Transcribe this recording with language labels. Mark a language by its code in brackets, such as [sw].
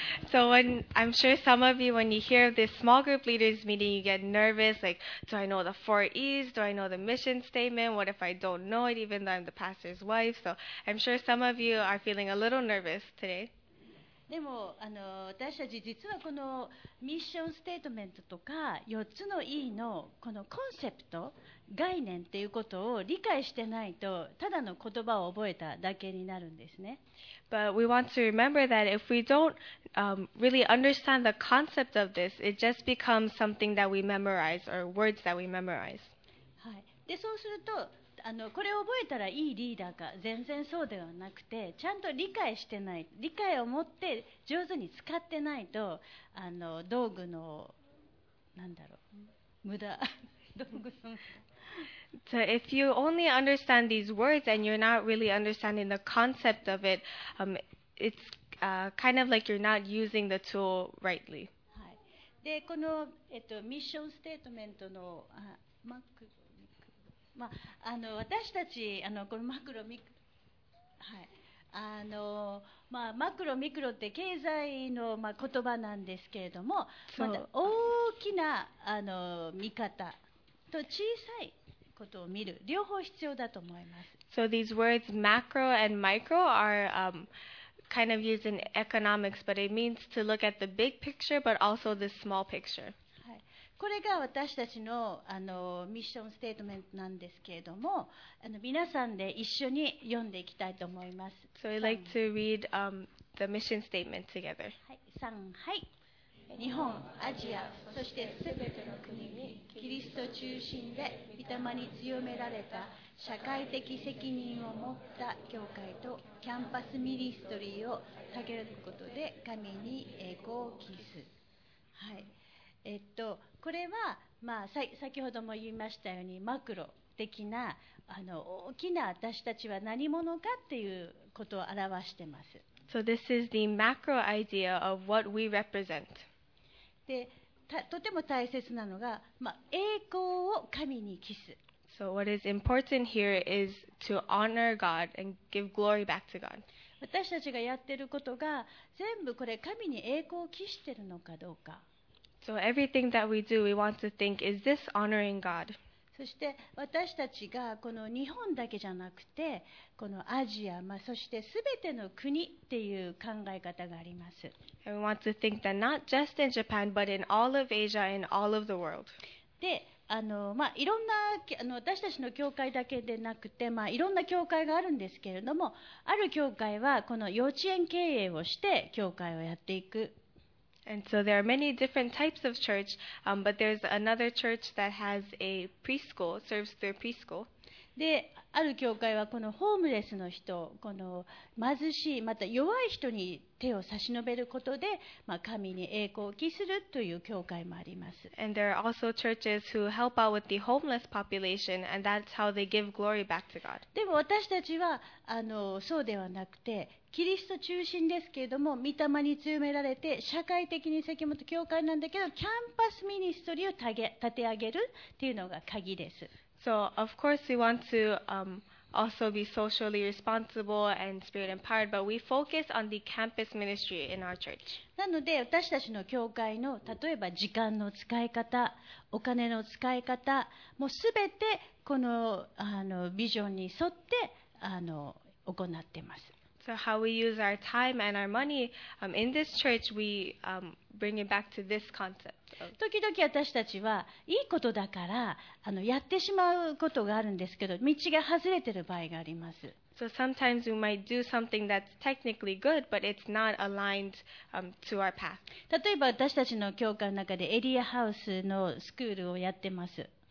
[en] So when I'm sure some of you, when you hear this small group leaders meeting, you get nervous. Like, do I know the four E's? Do I know the mission statement? What if I don't know it, even though I'm the pastor's wife? So I'm sure some of you are feeling a little nervous today. [ja] でも私たち実はこのミッションステートメントとか4つの E のこのコンセプト概念っていうことを理解してないと、ただの言葉を覚えただけになるんですね。 [en] But we want to remember that if we don't, really understand the concept of this, it just becomes something that we memorize or words that we memorize. [ja] はい。で、そうすると、これを覚えたらいいリーダーか、全然そうではなくて、ちゃんと理解してない、理解を持って上手に使ってないと、道具の、なんだろう、無駄、道具の。 [en] So if you only understand these words and you're not really understanding the concept of it, it's kind of like you're not using the tool rightly. [ja] でこの、ミッションステートメントのあマクロミクロ、まあ、あの私たちあのこのマクロミクロ、はい、あのまあ、マクロミクロって経済の、まあ、言葉なんですけれども、ま、大きなあの見方と小さいことを見る両方必要だと思います。 [en] So these words macro and micro are、kind of used in economics, but it means to look at the big picture but also the small picture、 [ja] はい、これが私たち の, あのミッションステートメントなんですけれども、あの皆さんで一緒に読んでいきたいと思います。 [en] So we'd like to read、the mission statement together、 [ja] はい、3、はい、日本、アジア、そしてすべての国にキリスト中心で御霊に強められた社会的責任を持った教会とキャンパスミニストリーを立てることで神に栄光を期す、はい、これは、まあ、先ほども言いましたようにマクロ的なあの大きな私たちは何者かっていうことを表しています。 [en] So this is the macro idea of what we represent。 [ja] でとても大切なのが、まあ、栄光を神に期す。 [en] So what is important here is to honor God and give glory back to God. [ja] 私たちがやってることが全部これ神に栄光を期してるのかどうか。 [en] So everything that we do, we want to think, is this honoring God? [ja] そして私たちがこの日本だけじゃなくてこのアジア、まあ、そして全ての国っていう考え方があります。 [en] And we want to think that not just in Japan, but in all of Asia and all of the world. [ja] で、あの、まあ、いろんなあの私たちの教会だけでなくて、まあ、いろんな教会があるんですけれども、ある教会はこの幼稚園経営をして教会をやっていく。 [en] And so there are many different types of church, but there's another church that has a preschool, serves through preschool. [ja] で、ある教会はこのホームレスの人、この貧しい、また弱い人に手を差し伸べることで、まあ、神に栄光を期するという教会もあります。 [en] And there are also churches who help out with the homeless population, and that's how they give glory back to God. [ja] でも私たちはあのそうではなくて、キリスト中心ですけれども、御霊に強められて、社会的に責任と教会なんだけど、キャンパスミニストリーを立て上げるっていうのが鍵です。 [en] So of course we want to、also be socially responsible and spirit empowered, but we focus on the campus ministry in our church. [ja] なので私たちの教会の例えば時間の使い方、お金の使い方、もうすべてこ の, あのビジョンに沿ってあの行っています。 [en] So how we use our time and our money、in this church, we、bring it back to this concept. [ja] So, 時々私たちはいいことだからあのやってしまうことがあるんですけど、道が外れてる場合があります。 [en] So sometimes we might do something that's technically good, but it's not aligned、to our path. [ja] 例えば私たちの教会の中でエリアハウスのスクールをやってます。